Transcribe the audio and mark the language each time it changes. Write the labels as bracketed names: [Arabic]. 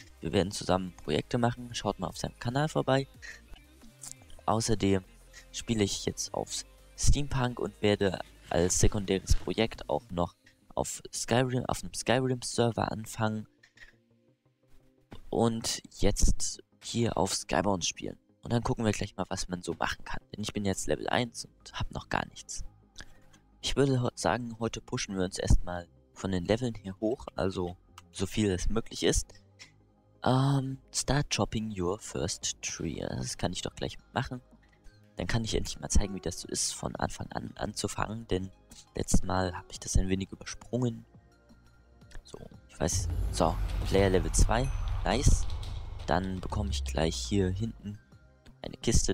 [German] Wir werden zusammen Projekte machen, schaut mal auf seinem Kanal vorbei. Außerdem spiele ich jetzt auf Steampunk und werde als sekundäres Projekt auch noch auf Skyrim, auf einem Skyrim-Server anfangen und jetzt hier auf Skyborn spielen. Und dann gucken wir gleich mal, was man so machen kann. Denn ich bin jetzt Level 1 und habe noch gar nichts. Ich würde sagen, heute pushen wir uns erstmal von den Leveln hier hoch, also so viel es möglich ist. [English] Start chopping your first tree. [German] Das kann ich doch gleich machen. Dann kann ich endlich mal zeigen, wie das so ist, von Anfang an anzufangen, denn letztes Mal habe ich das ein wenig übersprungen. So, ich weiß. So, [English] Player Level 2. Nice. [German] Dann bekomme ich gleich hier hinten eine Kiste.